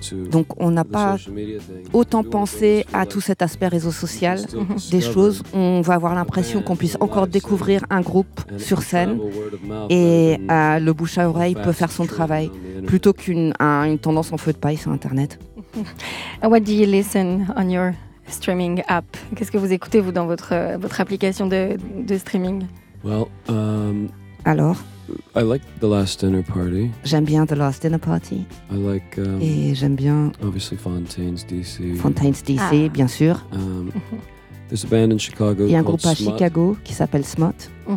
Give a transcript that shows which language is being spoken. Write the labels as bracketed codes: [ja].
[fr] Donc on n'a pas autant pensé à tout cet aspect réseau social des choses. On va avoir l'impression qu'on puisse encore découvrir un groupe sur scène et le bouche à oreille peut faire son travail plutôt qu'une tendance en feu de paille sur Internet. [en] What do you listen on your streaming app? [fr] Qu'est-ce que vous écoutez vous dans votre application de streaming? [en] Well, [fr] alors, [en] I like The Last Dinner Party. [fr] J'aime bien The Last Dinner Party. [en] I like, [fr] et j'aime bien [en] obviously Fontaine's DC. [fr] Fontaine's DC, bien sûr. [en] There's a band in Chicago. [fr] Il y a un groupe à Chicago qui s'appelle Smut.